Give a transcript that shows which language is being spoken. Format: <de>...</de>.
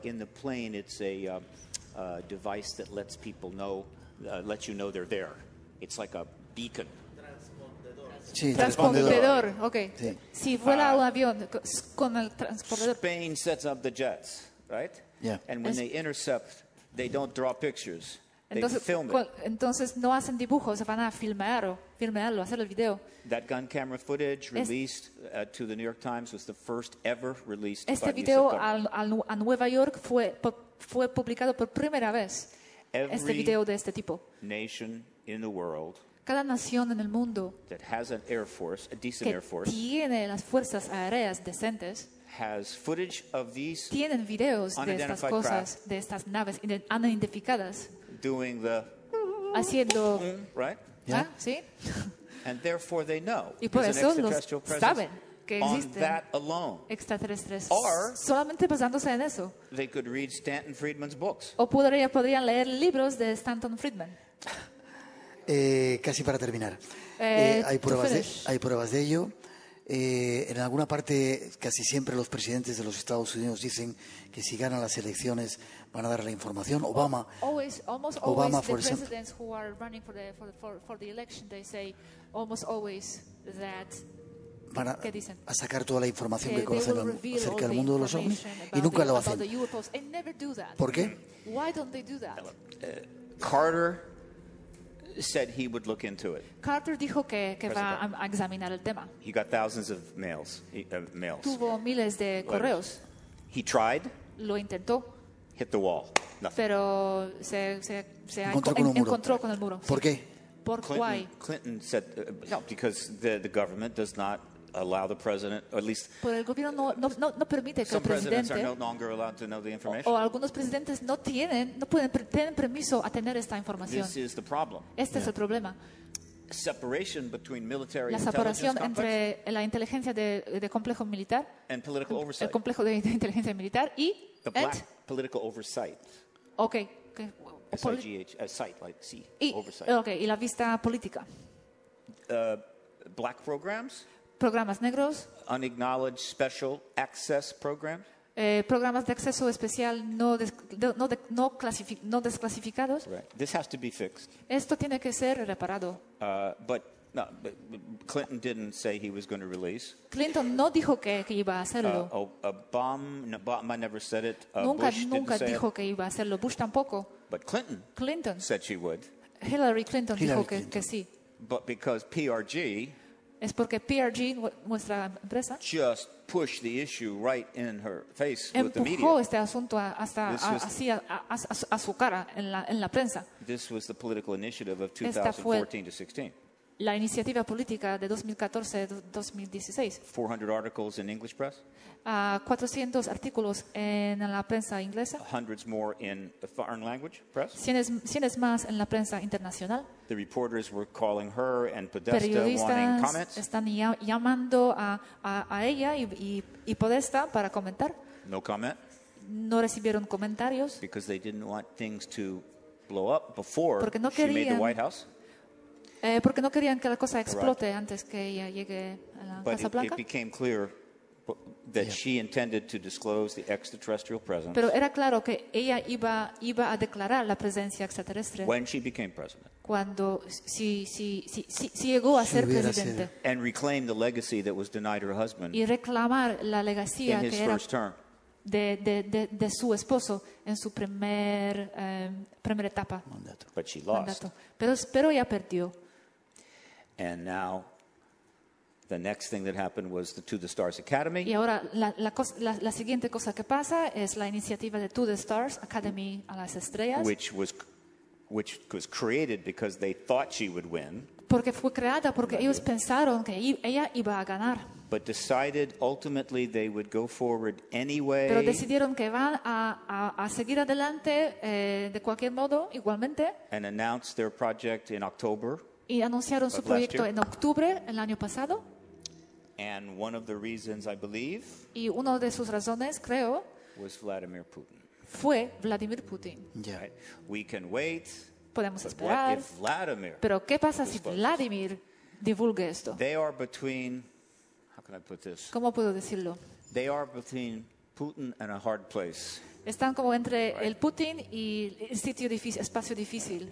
<en>In the plane, it's a device that lets people know, lets you know they're there. It's like a beacon.</en> <es>Transpondedor. Okay. Sí. Si vuela un avión con el transpondedor.</es> <en>Spain sets up the jets, right? Yeah. And when they intercept, they don't draw pictures. They film it.</en> <es>Entonces no hacen dibujos, van a filmarlo, hacer el video.</es> <en>That gun camera footage released to the New York Times was the first ever released.</en> <es>Este video a Nueva York fue publicado por primera vez.</es> <en>Every</en> <es>este video de este tipo.</es> <en>Nation in the world.</en> <es>Cada nación en el mundo.</es> <en>That has an air force, a decent air force.</en> <es>Que tiene las fuerzas aéreas decentes.</es> <en>Has footage of these.</en> <es>Tienen videos de estas cosas, de estas naves unidentificadas.</es> <en>Doing the</en> <es>haciendo,</es> <en>right? Yeah.</en> <es>¿Sí?</es> <en>And therefore they know.</en> <es>Y por eso</es> <en>an extraterrestrial presence</en> <es>saben que existen</es> <en>on that alone.</en> <es>Extraterrestres.</es> <en>Or</en> <es>solamente basándose en eso.</es> <en>They could read Stanton Friedman's books.</en> <es>O podrían leer libros de Stanton Friedman. Casi para terminar. Hay pruebas de ello. En alguna parte, casi siempre los presidentes de los Estados Unidos dicen que si ganan las elecciones van a dar la información.</es> <en>Obama, always, almost Obama, always, for example, the presidents who are running for the election, they say almost always that</en> <es>van a sacar toda la información que conocen acerca del mundo de los ovnis y nunca lo hacen. ¿Por qué?</es> <en>Why don't they do that? Carter said he would look into it.</en> <es>Carter dijo que va a examinar el tema.</es> <en>He got thousands of mails.</en> <es>Tuvo miles de correos.</es> <en>He tried.</en> <es>Lo intentó.</es> <en>Hit the wall. Nothing.</en> <es>Pero se encontró con el muro. ¿Por qué? Por</es> <en>why? Clinton said because the government does not allow the president, or at least</en> <es>por el gobierno no permite que</es> <en>some</en> <es>el presidente,</es> <en>presidents are no longer allowed to know the information.</en> <es>O algunos presidentes no tienen permiso a tener esta información.</es> <en>This is the problem.</en> <es>Este es el problema.</es> <en>Separation between military</en> <es>la separación entre la inteligencia de complejo militar</es> <en>and political oversight.</en> <es>El complejo de inteligencia militar y</es> <en>the black political oversight. Okay. sight, like see, oversight.</en> <es>Okay, y la vista política.</es> <en>Black programs.</en> <es>Programas negros.</es> <en>Unacknowledged special access programs.</en> <es>Programas de acceso especial no desclasificados.</es> <en>Right. This has to be fixed.</en> <es>Esto tiene que ser reparado.</es> <en>But Clinton didn't say he was going to release.</en> <es>Clinton no dijo que iba a hacerlo.</es> <en>Obama never said it.</en> <es>Nunca dijo que iba a hacerlo. Bush tampoco.</es> <en>But Clinton said she would.</en> <es>Hillary Clinton dijo que sí.</es> <en>But because PRG.</en> <es>Es porque PRG, nuestra empresa,</es> <en>just pushed the issue right in her face with the media.</en> <es>Empujó este asunto hasta a su cara en la prensa.</es> <en>This was the political initiative of 2014 to 2016.</en> <es>La iniciativa política de 2014-2016.</es> <en>400 articles in English press.</en> <es>400 artículos en la prensa inglesa.</es> <en>Hundreds more in the foreign language press.</en> <es>Cientos más en la prensa internacional.</es> <en>The reporters were calling her and Podesta wanting comments.</en> <es>Periodistas están llamando a ella y Podesta para comentar.</es> <en>No comment.</en> <es>No recibieron comentarios.</es> <en>Because they didn't want things to blow up before she made the White House.</en> <es>Porque no querían que la cosa explote</es> <en>right.</en> <es>Antes que ella llegue a la</es> <en>but</en> <es>Casa Blanca.</es> <en>It became clear that yeah. She intended to disclose the extraterrestrial presence.</en> <es>Pero era claro que ella iba a declarar la presencia extraterrestre.</es> <en>When she became president.</en> <es>Cuando si llegó a ser presidente.</es> <en>And reclaim the legacy that was denied her husband.</en> <es>Y reclamar la legacía que</es> <en>his</en> <es>era</es> <en>first term.</en> <es>De su esposo en su primer etapa.</es> <en>Mandato. But she lost. Mandato.</en> <es>Pero ella perdió.</es> <en>And now, the next thing that happened was the To the Stars Academy.</en> <es>Y ahora la siguiente cosa que pasa es la iniciativa de To the Stars Academy a las estrellas.</es> <en>Which was created because they thought she would win.</en> <es>Porque fue creada porque ellos pensaron que ella iba a ganar.</es> <en>But decided ultimately they would go forward anyway.</en> <es>Pero decidieron que van a seguir adelante de cualquier modo igualmente.</es> <en>And announced their project in October.</en> <es>Y anunciaron su proyecto en octubre el año pasado.</es> <en>And one of the reasons, I believe,</en> <es>y una de sus razones, creo,</es> <en>was Vladimir Putin.</en> <es>Fue Vladimir Putin.</es> <en>Yeah. Right. We can wait.</en> <es>Podemos esperar.</es> <en>What if Vladimir,</en> <es>pero ¿qué pasa si Vladimir divulga esto?</es> <en>They are between, how can I put this?</en> <es>¿Cómo puedo decirlo?</es> <en>They are between Putin and a hard place.</en> <es>Están como entre</es> <en>right.</en> <es>El Putin y el sitio difícil, espacio difícil.</es>